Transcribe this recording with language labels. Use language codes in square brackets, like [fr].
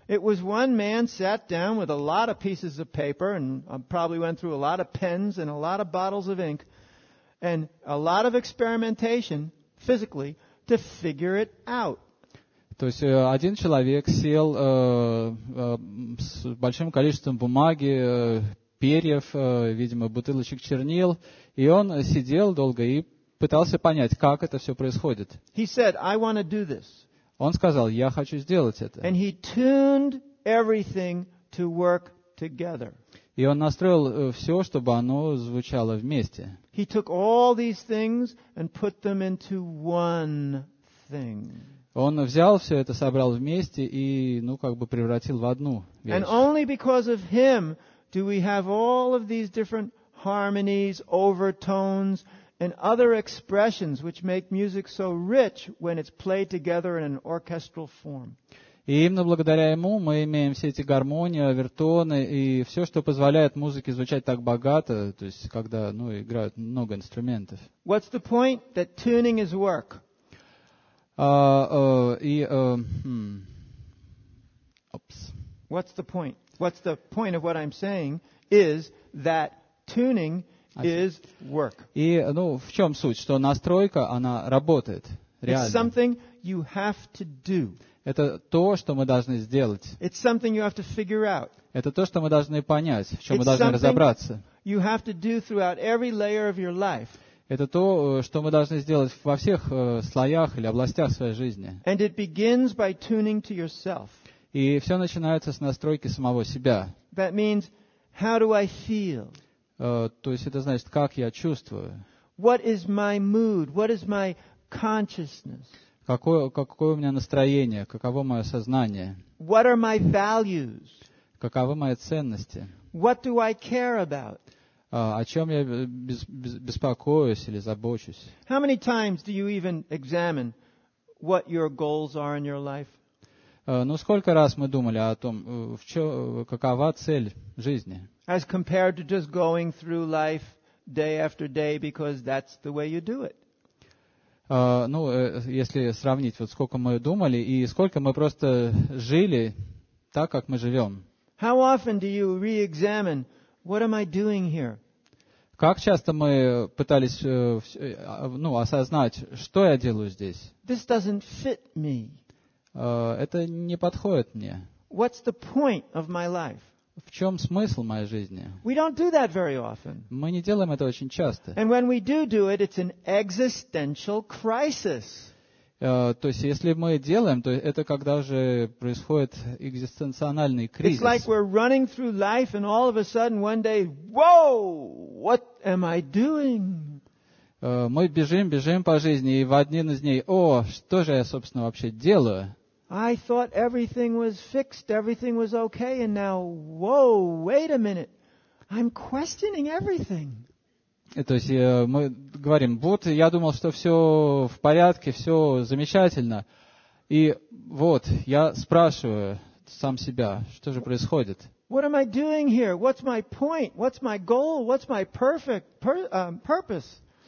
[en] It was one man sat down with a lot of pieces of paper and probably went through a lot of pens and a lot of bottles of ink and a lot of experimentation physically to figure it out. [ru] То есть один человек сел с большим количеством бумаги, перьев, видимо, бутылочек чернил, и он сидел долго и пытался понять, как это все происходит. [en] He said, I want to do this. [ru] Он сказал, я хочу сделать это. [en] And he tuned everything to work together. [ru] И он настроил все, чтобы оно звучало вместе. [en] He took all these things and put them into one thing. [ru] Он взял все это, собрал вместе и, ну, как бы превратил в одну вещь. [en] And only because of him do we have all of these different harmonies, overtones, and other expressions which make music so rich when it's played together in an orchestral form. [ru] И именно благодаря ему мы имеем все эти гармонии, овертоны и все, что позволяет музыке звучать так богато, то есть когда, ну, играют много инструментов. [en] What's the point? That tuning is work. What's the point? What's the point of what I'm saying is that tuning is work. [ru] И, ну, в чем суть? Что настройка, она работает. Реально. [en] It's something you have to do. [ru] Это то, что мы должны сделать. [en] It's something you have to figure out. [ru] Это то, что мы должны понять, в чем [en] It's [ru] мы должны разобраться. [en] You have to do throughout every layer of your life. [ru] Это то, что мы должны сделать во всех слоях или областях своей жизни. [en] And it begins by tuning to yourself. [ru] И все начинается с настройки самого себя. [en] That means, how do I feel? [ru] То есть это значит, как я чувствую. [en] What is my mood? What is my consciousness? [ru] Какое у меня настроение? Каково мое сознание? [en] What are my values? [ru] Каковы мои ценности? [en] What do I care about? [ru] О чем я беспокоюсь или забочусь? [en] How many times do you even examine what your goals are in your life? [ru] Ну, сколько раз мы думали о том, какова цель жизни? [en] As compared to just going through life day after day because that's the way you do it. [ru] Ну, если сравнить, вот сколько мы думали и сколько мы просто жили так, как мы живем. [en] How often do you re-examine, what am I doing here? [ru] Как часто мы пытались, ну, осознать, что я делаю здесь? [en] This doesn't fit me. [ru] Это не подходит мне. [en] What's the point of my life? [ru] В чем смысл моей жизни? [en] We don't do that very often. [ru] Мы не делаем это очень часто. [en] And when we do it, it's an existential crisis. [ru] То есть, если мы делаем, то это когда же происходит экзистенциональный кризис. [en] It's like we're running through life and all of a sudden one day, whoa, what am I doing? [ru] Мы бежим по жизни, и в один из дней, о, что же я, собственно, вообще делаю? [en] I thought everything was fixed, everything was okay, and now, whoa, wait a minute, I'm questioning everything. [ru] То есть мы говорим, вот я думал, что все в порядке, все замечательно, и вот я спрашиваю сам себя, что же происходит? [en] What am I doing here? What's my point? What's my goal? What's my perfect purpose?